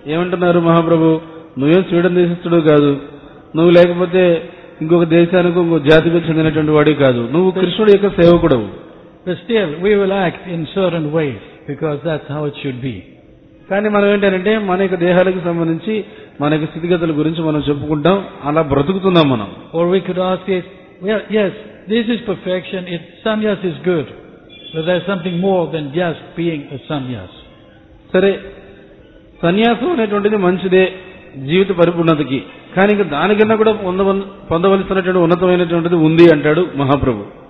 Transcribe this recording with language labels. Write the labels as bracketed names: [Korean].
[Telugu] ఏమంటున్నారు మహాప్రభు, నువ్వేం స్వీడన్ దేశస్థుడు కాదు, నువ్వు లేకపోతే ఇంకొక దేశానికి ఇంకొక జాతికి చెందినటువంటి వాడు కాదు, నువ్వు కృష్ణుడు యొక్క సేవకుడు. [English] Still, we will act in certain ways because that's how it should be. [Telugu] కానీ మనం ఏంటంటే మన యొక్క దేహాలకు సంబంధించి మన యొక్క స్థితిగతుల గురించి మనం చెప్పుకుంటాం, అలా బ్రతుకుతున్నాం మనం. [English] Or we could ask it, yes, this is perfection, it sannyas is good, but there's something more than just being a sannyas. [Telugu] సరే సన్యాసం అనేటువంటిది మంచిదే జీవిత పరిపూర్ణతకి, కానీ ఇంకా దానికన్నా కూడా పొందవలసినటువంటి ఉన్నతమైనటువంటిది ఉంది అంటాడు మహాప్రభు.